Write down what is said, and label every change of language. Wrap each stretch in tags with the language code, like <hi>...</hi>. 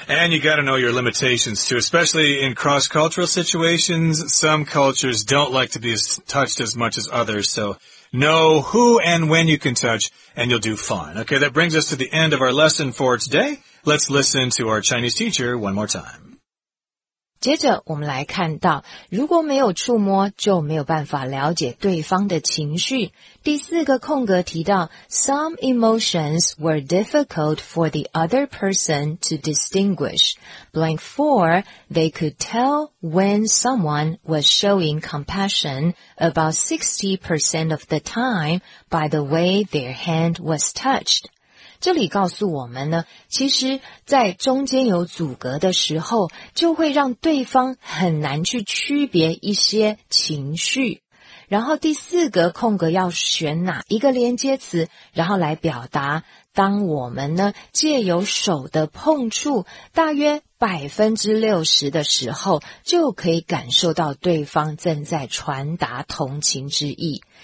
<en>And you got to know your limitations, too, especially in cross-cultural situations. Some cultures don't like to be touched as much as others, so know who and when you can touch, and you'll do fine. Okay, that brings us to the end of our lesson for today. Let's listen to our Chinese teacher one more time.</en> <zh>接着我们来看到，如果没有触摸，就没有办法了解对方的情绪。第四个空格提到</zh> <en>,some emotions were difficult for the other person to distinguish. Blank 4, they could tell when someone was showing compassion about 60% of the time by the way their hand was touched.</en> <zh>这里告诉我们呢，其实在中间有阻隔的时候，就会让对方很难去区别一些情绪。然后第四个空格要选哪一个连接词，然后来表达当我们呢借由手的碰触大约 60% 的时候，就可以感受到对方正在传达同情之意。</zh>